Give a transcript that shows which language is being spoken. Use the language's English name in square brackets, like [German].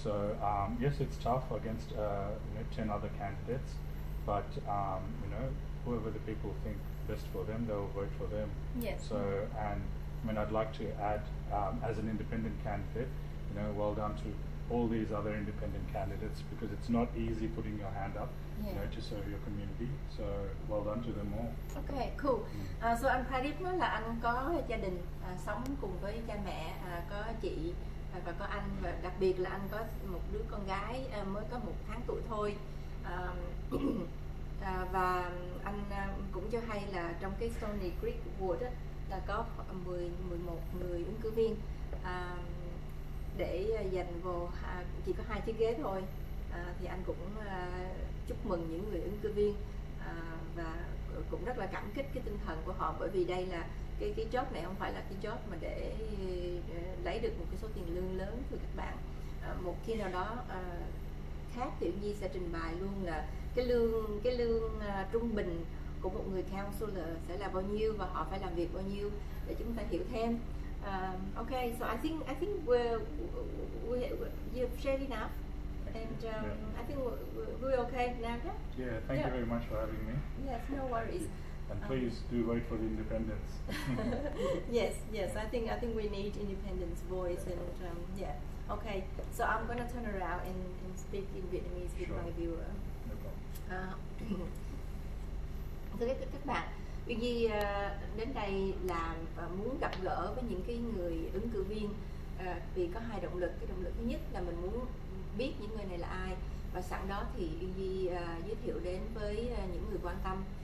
[English] So yes, it's tough against 10 other candidates, but you know, whoever the people think best for them, they will vote for them. Yes. So and I mean, I'd like to add as an independent candidate, you know, well done to all these other independent candidates, because it's not easy putting your hand up, you know, to serve your community. So well done to them all. Okay, cool. [Vietnamese] So anh Pradeep nói là anh có gia đình sống cùng với cha mẹ, có chị và có anh, và đặc biệt là anh có một đứa con gái mới có một tháng tuổi thôi. và anh cũng cho hay là trong cái Stony Creek Wood á, là có 10-11 người ứng cử viên để dành vô chỉ có 2 chiếc ghế thôi. Thì anh cũng chúc mừng những người ứng cử viên và cũng rất là cảm kích cái tinh thần của họ, bởi vì đây là cái job này không phải là cái job mà để lấy được một cái số tiền lương lớn từ các bạn. Một khi nào đó khác thì Nhi sẽ trình bày luôn là cái lương trung bình của một người counselor sẽ là bao nhiêu và họ phải làm việc bao nhiêu để chúng ta hiểu thêm. [English] Okay, so I think we've shared enough, and yeah. I think we're okay now. Yeah, thank you very much for having me. Yes, no worries. And please do vote for the independents. yes, I think we need independents' voice. Yeah. And okay. So I'm gonna turn around and speak in Vietnamese with my viewer. No problem. [Vietnamese] Thưa các bạn, Uyên Nhi đến đây làm và muốn gặp gỡ với những cái người ứng cử viên vì có hai động lực. Cái động lực thứ nhất là mình muốn biết những người này là ai, và sẵn đó thì Uyên Nhi giới thiệu đến với những người quan tâm.